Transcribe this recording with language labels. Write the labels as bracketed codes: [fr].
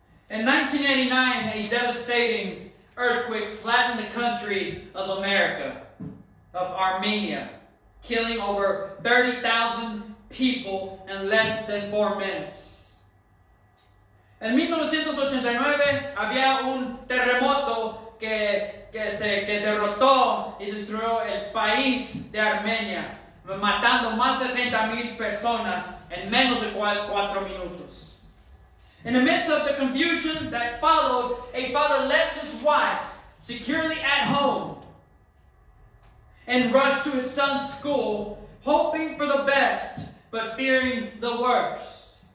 [en] In 1989, a devastating earthquake flattened the country of America, of Armenia, killing over 30,000 people in less than 4 minutes. [es] En 1989, había un terremoto que derrotó y destruyó el país de Armenia, matando más de 30,000 personas en menos de 4 minutos. [en] In the midst of the confusion that followed, a father left his wife securely at home and rushed to his son's school, hoping for the best, but fearing the worst.